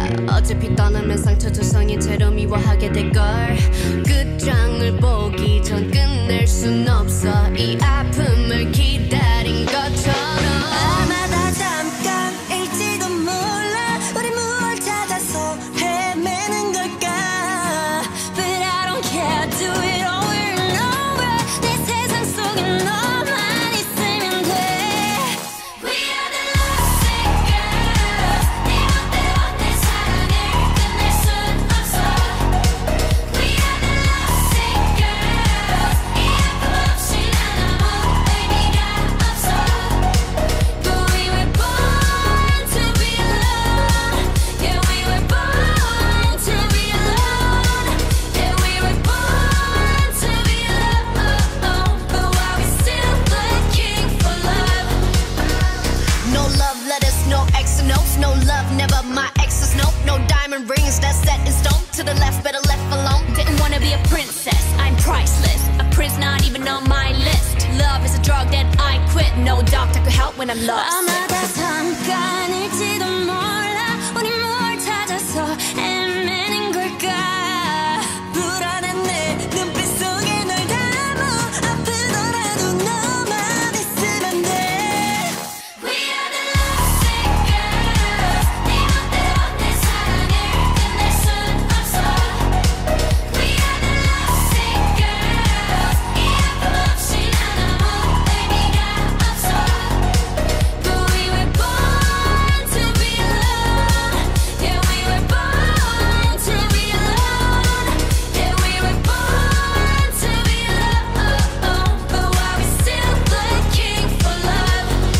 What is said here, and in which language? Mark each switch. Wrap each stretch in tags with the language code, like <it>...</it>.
<ko>어차피 떠나면 상처 두성이처럼 미워하게 될걸. 끝장을 보기 전 끝낼 순 없어. 이 아픔을 기다린 것처럼. 아마도 잠깐일지도 몰라. 우리 무얼 찾아서 헤매는 걸까.</ko> <en>But I don't care, do it over and over.</en> <ko>내 세상 속에 너만 있으면 돼.</ko> <en>We are the lovesick girls.</en> <ko>네 멋대로 내 사랑을 끝낼 순 없어.</ko> <en>We are the lovesick girls.</en> <ko>이 아픔 없이 난 아무 의미가 없어.</ko> <en>But we were born to be alone. Yeah, we were born to be alone. Yeah, we were born to be alone. But why we still looking for love? No love letters, no X's, notes. No love, never my X's, nope. No diamond rings, that's set in stone. To the left, better left alone. Didn't wanna be a princess, I'm priceless. A prince not even on my list. Love is a drug that I quit. No doctor could help when I'm lost.</en> <ko>아마도 잠깐일지도 몰라. 우리 뭘 찾아서 헤매는 걸까. 불안한 내 눈빛 속에 널 담아. 아프더라도 너만 있으면 돼.</ko> <en>We are the lovesick girls.</en> <ko>네 멋대로 내 사랑을 끝낼 순 없어.</ko> <en>We are the lovesick girls.</en> <ko>이 아픔 없이 난 아무 의미가 없어.</ko> <en>But we were born to be alone. Yeah, we were born to be alone. Yeah, we were born to be alone. But why we still looking for love?</en>